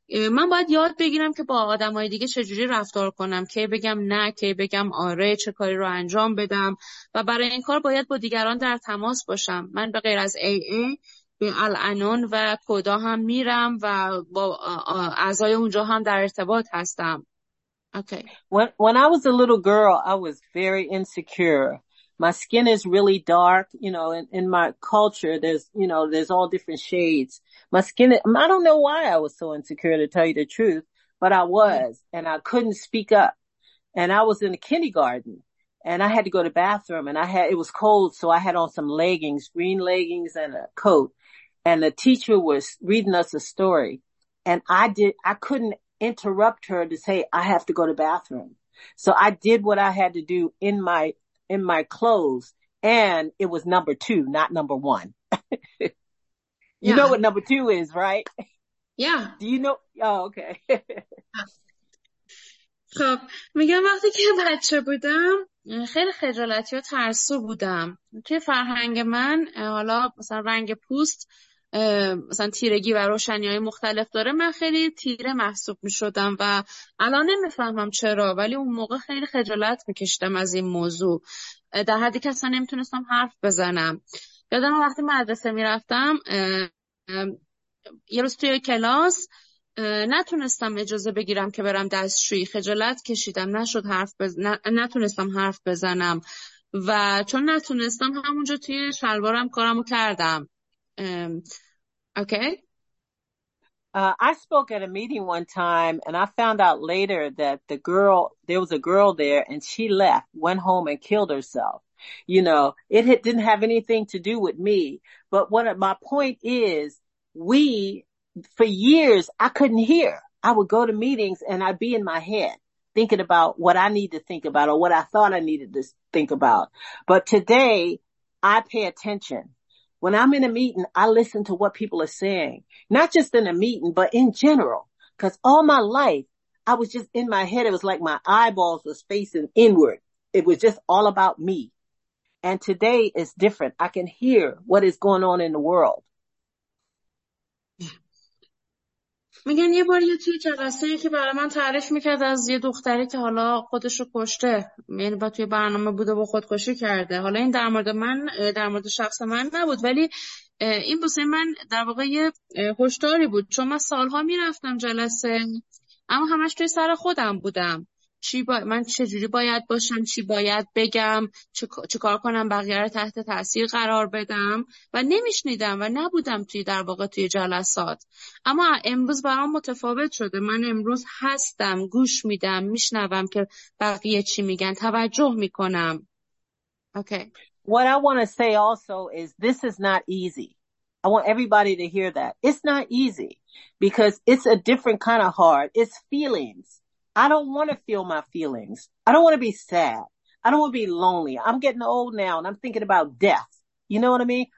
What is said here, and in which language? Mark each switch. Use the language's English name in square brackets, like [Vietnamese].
[Persian] من باید یاد بگیرم که با آدمای دیگه چجوری رفتار کنم، کی بگم نه، کی بگم آره، چه کاری رو انجام بدم، و برای این کار باید با دیگران در تماس باشم. من به غیر از AA به الانون و کودا هم میرم و با اعضای اونجا هم در ارتباط هستم. [English] Okay. When I was a little girl, I was very insecure. My skin is really dark, you know, in my culture, there's all different shades. My skin, I don't know why I was so insecure, to tell you the truth, but I was, and I couldn't speak up. And I was in the kindergarten, and I had to go to the bathroom, and it was cold, so I had on some leggings, green leggings and a coat. And the teacher was reading us a story, and I couldn't interrupt her to say, I have to go to the bathroom. So I did what I had to do in my clothes, and it was number two, not number one. You yeah. know what number two is, right? Yeah. Do you know? Oh, okay. [Persian] خب میگم وقتی که بچه بودم خیلی خجالتی و ترسو بودم. توی فرهنگ من حالا مثلا رنگ پوست مثلا تیرگی و روشنی های مختلف داره، من خیلی تیره محسوب میشدم و الان نمیفهمم چرا، ولی اون موقع خیلی خجالت میکشتم از این موضوع، در حدی که اصلا نمیتونستم حرف بزنم. یادم وقتی مدرسه میرفتم یه روز توی کلاس نتونستم اجازه بگیرم که برم دستشویی، خجالت کشیدم، نتونستم حرف بزنم و چون نتونستم همونجا توی شلوارم کارمو کردم. [English] Okay. I spoke at a meeting one time and I found out later that the girl, there was a girl there and she left, went home and killed herself. You know, it didn't have anything to do with me. But what my point is, for years, I couldn't hear. I would go to meetings and I'd be in my head thinking about what I need to think about or what I thought I needed to think about. But today, I pay attention. When I'm in a meeting, I listen to what people are saying, not just in a meeting, but in general, because all my life, I was just in my head. It was like my eyeballs was facing inward. It was just all about me. And today is different. I can hear what is going on in the world. [Persian] میگن یه بار یه توی جلسه یکی برای من تعریف میکرد از یه دختری که حالا خودشو کشته، یعنی با توی برنامه بوده و خودکشی کرده. حالا این در مورد من، در مورد شخص من نبود، ولی این بسه من در واقع یه هشداری بود، چون من سالها میرفتم جلسه اما همش توی سر خودم بودم، من چه جوری باید باشم، چی باید بگم، چه کار کنم بقیه رو تحت تاثیر قرار بدم و نمیشنیدم و نبودم توی در واقع توی جلسات. اما امروز برام متفاوت شده، من امروز هستم، گوش میدم، میشنوم که بقیه چی میگن، توجه میکنم. [English] Okay. What I want to say also is this is not easy. I want everybody to hear that. It's not easy because it's a different kind of heart. It's feelings. I don't want to feel my feelings. I don't want to be sad. I don't want to be lonely. I'm getting old now and I'm thinking about death. You know what I mean?